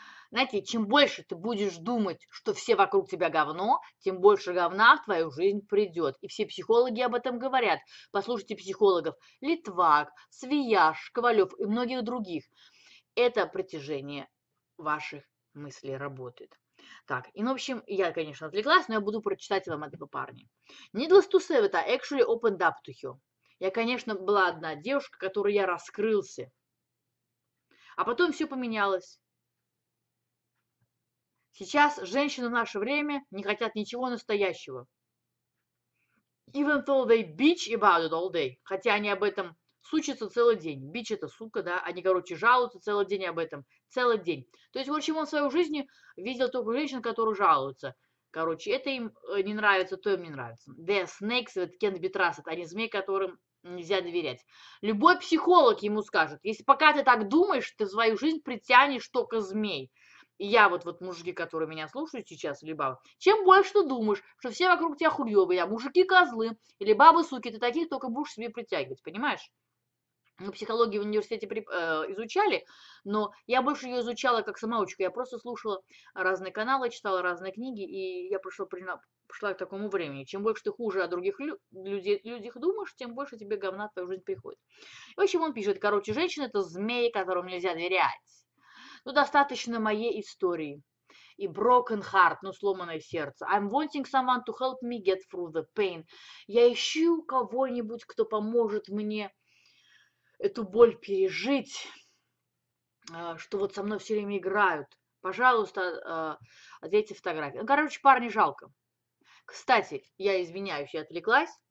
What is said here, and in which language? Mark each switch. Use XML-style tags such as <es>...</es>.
<ru>Знаете, чем больше ты будешь думать, что все вокруг тебя говно, тем больше говна в твою жизнь придет. И все психологи об этом говорят. Послушайте психологов Литвак, Свияж, Ковалев и многих других. Это притяжение ваших мыслей работает. Так, и в общем, я, конечно, отвлеклась, но я буду прочитать вам этого парня.</ru> <en>Needless to say, it actually opened up to you.</en> <ru>Я, конечно, была одна девушка, которой я раскрылся. А потом все поменялось. Сейчас женщины в наше время не хотят ничего настоящего.</ru> <en>Even though they bitch about it all day.</en> <ru>Хотя они об этом сучатся целый день. Бич это сука, да? Они, короче, жалуются целый день об этом. Целый день. То есть, в общем, он в свою жизнь видел только женщин, которые жалуются. Короче, это им не нравится, то им не нравится.</ru> <en>They're snakes that can't be trusted.</en> <ru>Они змеи, которым нельзя доверять. Любой психолог ему скажет, если пока ты так думаешь, ты в свою жизнь притянешь только змей. И я вот мужики, которые меня слушают сейчас, или бабы, чем больше ты думаешь, что все вокруг тебя хуёвые, а мужики козлы, или бабы суки, ты таких только будешь себе притягивать, понимаешь? Мы психологию в университете изучали, но я больше ее изучала как самоучка. Я просто слушала разные каналы, читала разные книги, и я пришла к такому времени. Чем больше ты хуже о других людях думаешь, тем больше тебе говна в твою жизнь приходит. В общем, он пишет, короче, женщина – это змей, которому нельзя доверять. Ну, достаточно моей истории. И</ru> <en>broken heart,</en> <ru>ну, сломанное сердце.</ru> <en>I'm wanting someone to help me get through the pain.</en> <ru>Я ищу кого-нибудь, кто поможет мне эту боль пережить, что вот со мной все время играют. Пожалуйста, ответьте фотографии. Короче, парни жалко. Кстати, я извиняюсь, я отвлеклась.</ru>